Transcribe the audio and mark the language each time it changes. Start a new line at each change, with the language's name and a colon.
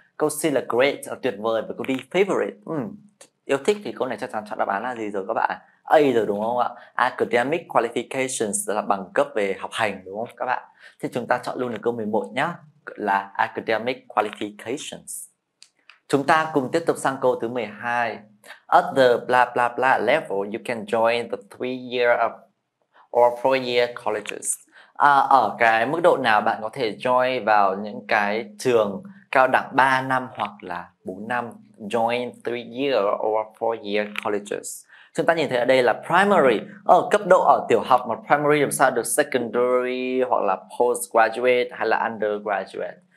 Vietnamese: Câu C là great, là tuyệt vời. Và câu D, favorite. Yêu thích thì câu này chắc chắn chọn đáp án là gì rồi các bạn? A rồi đúng không ạ? Academic qualifications là bằng cấp về học hành đúng không các bạn? Thì chúng ta chọn luôn là câu 11 nhá. Là academic qualifications. Chúng ta cùng tiếp tục sang câu thứ 12.
English: At the blah blah blah level, you can join the 3-year of or 4-year colleges.
Vietnamese: Ở cái mức độ nào bạn có thể join vào những cái trường cao đẳng 3 năm hoặc là 4 năm,
English: join 3-year or 4-year colleges.
Vietnamese: Chúng ta nhìn thấy ở đây là primary, ở cấp độ ở tiểu học, mà primary làm sao được secondary hoặc là postgraduate hay là undergraduate.